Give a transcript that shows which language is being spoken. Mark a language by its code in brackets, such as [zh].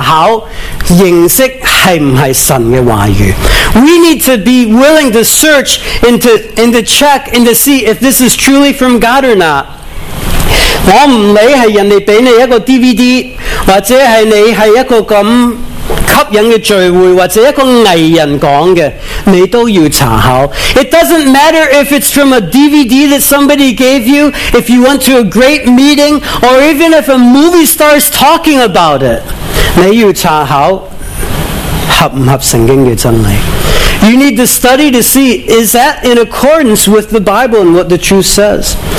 [zh] 我们要愿意研究查考认识是不是神的话语。 [en] We need to be willing to search and to check and to see if this is truly from God or not. [zh] 我不理是人家给你一个DVD 或者是你是一个这样 吸引的聚会，或者一个艺人讲的，你都要查考。 [en] It doesn't matter if it's from a DVD that somebody gave you, if you went to a great meeting, or even if a movie star is talking about it. [zh] 你要查考合不合圣经的真理。 [en] You need to study to see, is that in accordance with the Bible and what the truth says?